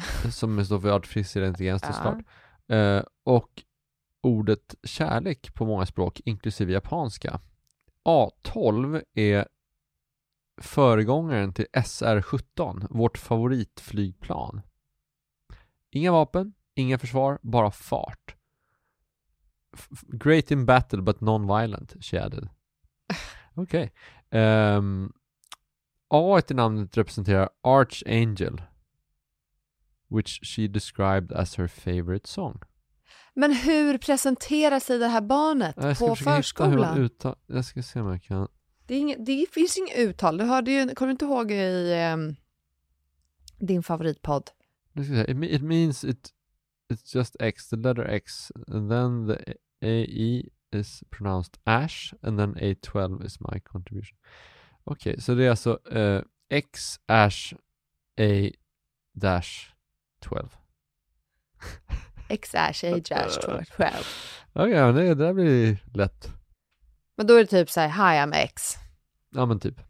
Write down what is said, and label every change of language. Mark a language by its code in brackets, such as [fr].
[sv] Som står för artificiell intelligens till start. Och ordet kärlek på många språk, inklusive japanska. A12 är föregångaren till SR-17, vårt favoritflygplan. Inga vapen, inga försvar, bara fart. [en] Great in battle but non-violent, she added. Okej. Okay. [sv] A i namnet representerar Archangel, [en] which she described as her favorite song. [sv] Men hur presenterar sig det här barnet på förskolan? Jag ska se om jag kan. Det finns inget uttal. Du hörde ju, kommer du inte ihåg i din favoritpodd? Jag ska säga, [en] it means it's just X, the letter X. And then the AE is pronounced Ash. And then A12 is my contribution. [sv] Okej, okay, så det är alltså X, Ash, A, dash, 12. X, Ash, A, dash, 12. Okej, okay, men det där blir lätt. Men då är det typ så här, [en] hi, I'm X. [sv] Ja, men typ.